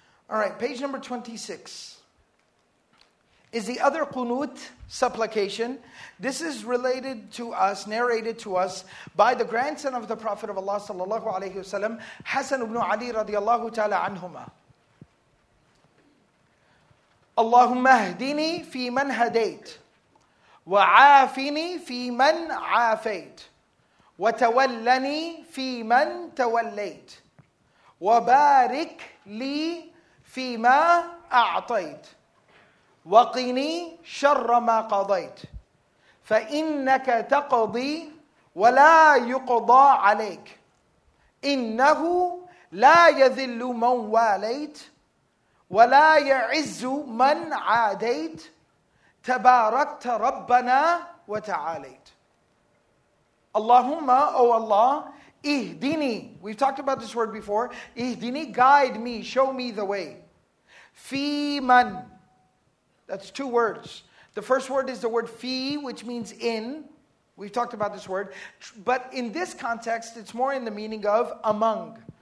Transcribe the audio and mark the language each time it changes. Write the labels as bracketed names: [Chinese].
[English] All right, page number 26. Is the other qunut, supplication. This is related to us, narrated to us by the grandson of the Prophet of Allah sallallahu alayhi wa sallam, Hasan ibn Ali radiallahu ta'ala anhumah. [Arabic] اللهم اهدني في من هديت وعافني في من عافيت وتولني في من توليت وبارك لي فيما أعطيت وقني شر ما قضيت فإنك تقضي ولا يقضى عليك إنه لا يذل من واليت وَلَا يَعِزُّ مَنْ عَادَيْتْ تَبَارَكْتَ رَبَّنَا وَتَعَالَيْتْ. [English] Allahumma, O Allah, ihdini. We've talked about this word before. Ihdini, guide me, show me the way. Fi man. That's two words. The first word is the word fi, which means in. We've talked about this word. But in this context, it's more in the meaning of among.